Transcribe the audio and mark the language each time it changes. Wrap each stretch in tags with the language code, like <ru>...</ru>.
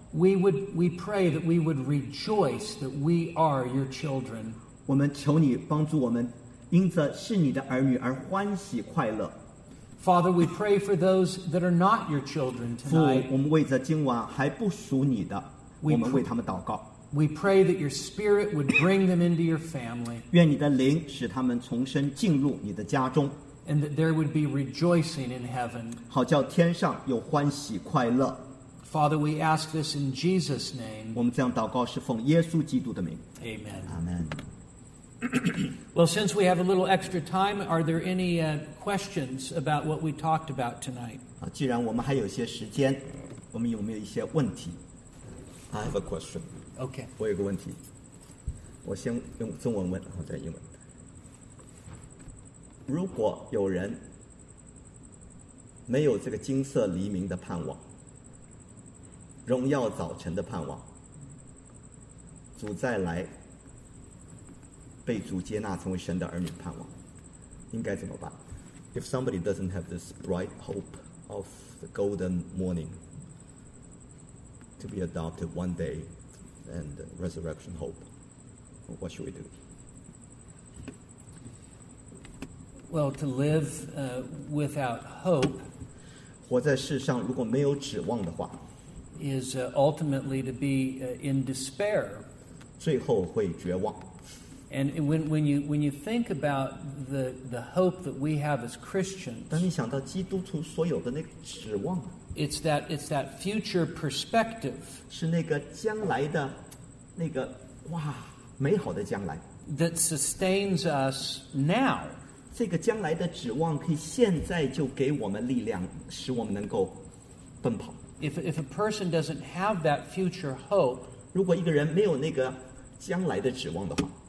<en>we pray that we would rejoice that we are your children.</en> <zh>我们求你帮助我们因着是你的儿女而欢喜快乐。</zh> <en>Father, we pray for those that are not your children tonight.</en> <zh>父,我们为着今晚还不属你的,</zh> <en>We pray that your spirit would bring them into your family. And that there would be rejoicing in heaven. Father, we ask this in Jesus' name. Amen. Amen. Well, since we have a little extra time, are there any questions about what we talked about tonight? 既然我们还有些时间, 我们有没有一些问题? I have a question. Okay.</en> <zh>我有个问题。我先用中文问, 然后再英文。如果有人 没有这个金色黎明的盼望, 荣耀早晨的盼望, 主再来, 被主接纳成为神的儿女盼望, 应该怎么办?</zh> <en>If somebody doesn't have this bright hope of the golden morning, to be adopted one day, and resurrection hope. What should we do? Well, to live without hope,</en> <zh>活在世上如果没有指望的话,</zh> <en>is ultimately to be in despair.</en> <zh>最后会绝望。</zh> <en>And when you think about the hope that we have as Christians,</en> <zh>当你想到基督徒所有的那个指望,</zh> <en>it's that future perspective.</en> <zh>是那个将来的那个哇美好的将来</zh> <en>that sustains us now.</en> <zh>这个将来的指望可以现在就给我们力量, 使我们能够奔跑。</zh> <en>If a person doesn't have that future hope,</en> <zh>如果一个人没有那个将来的指望的话,</zh>